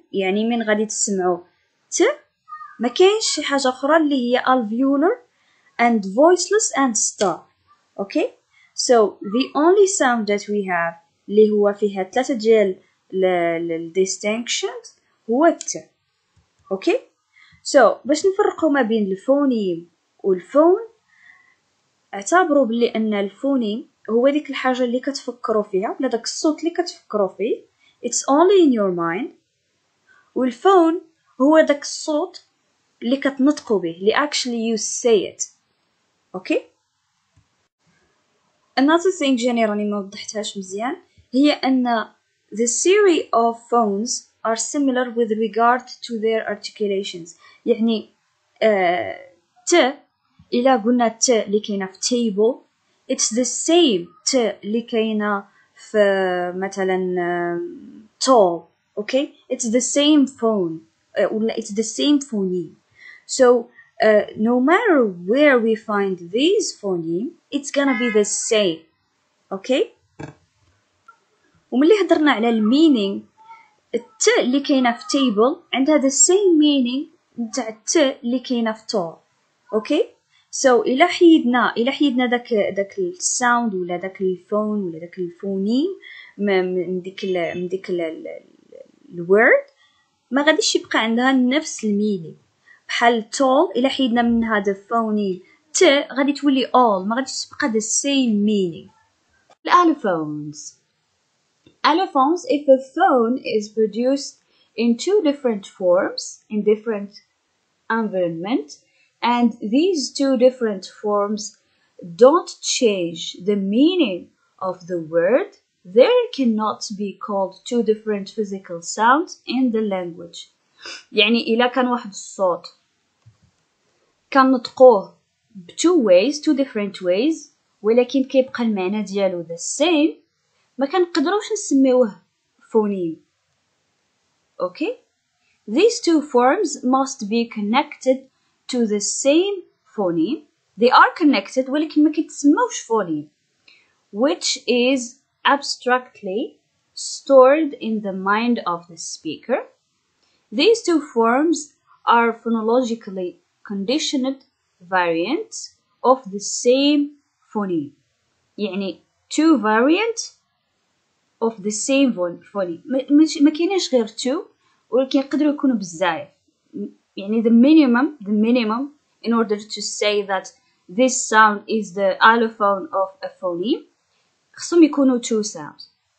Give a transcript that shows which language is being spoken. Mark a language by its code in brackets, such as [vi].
[ar] يعني من غادي تسمعوا ت ما كاينش شي حاجه اخرى اللي هي [en] alveolar and voiceless and stop. Okay, so the only sound that we have [ar] اللي هو فيها ثلاثه ديال [en] distinctions هو ت. [ar] اوكي سو باش نفرقوا ما بين الفونيم والفون, اعتبروا بلي ان الفونيم هو ديك الحاجه اللي كتفكروا فيها ولا داك الصوت اللي كتفكروا فيه, [en] it's only in your mind, [ar] والفون هو داك الصوت اللي كتنطقوا به, اللي [en] actually you say it. Okay another thing generally [ar] ما وضحتهاش مزيان هي ان [en] the series of phones are similar with regard to their articulations. [ar] يعني ت الى قلنا ت اللي كاينه في table, [en] it's the same [ar] ت اللي كاينه في مثلا tall. [en] Okay, it's the same phone ولا it's the same phoneme. So no matter where we find these phoneme, it's gonna be the same. [ar] Okay, وملي هضرنا على المينينغ, الت اللي كاينه في تيبل عندها ذا سيم مينينغ نتاع الت اللي كاينه في تور. اوكي سو الا حيدنا داك الساوند ولا داك الفون ولا داك الفونيم من ديك الورد, ما غاديش يبقى عندها نفس المينينغ. بحال تول الا حيدنا من هذا الفونيم ت غادي تولي اول, ما غاديش تبقى ذا سيم مينينغ. [en] الالفونز, allophones, if a phone is produced in two different forms in different environment and these two different forms don't change the meaning of the word, there cannot be called two different physical sounds in the language. [ar] يعني إلا كان واحد الصوت كان نطقوه [en] two different ways [ar] ولكن كيبقى المعنى ديالو [en] the same, [ar] ما كنقدروش نسميوه فونيم. اوكي [en] These two forms must be connected to the same phoneme. They are connected, [ar] ولكن ما كيتسموش [en] phoneme, which is abstractly stored in the mind of the speaker. These two forms are phonologically conditioned variants of the same phoneme. [ar] يعني [en] two variants of the same phoneme. [ar] ما كاينش غير two, ولكن يقدروا يكونوا بزاف. [en] يعني the minimum in order to say that this sound is the allophone of a phoneme, [ar] خصهم يكونوا [en] two sounds.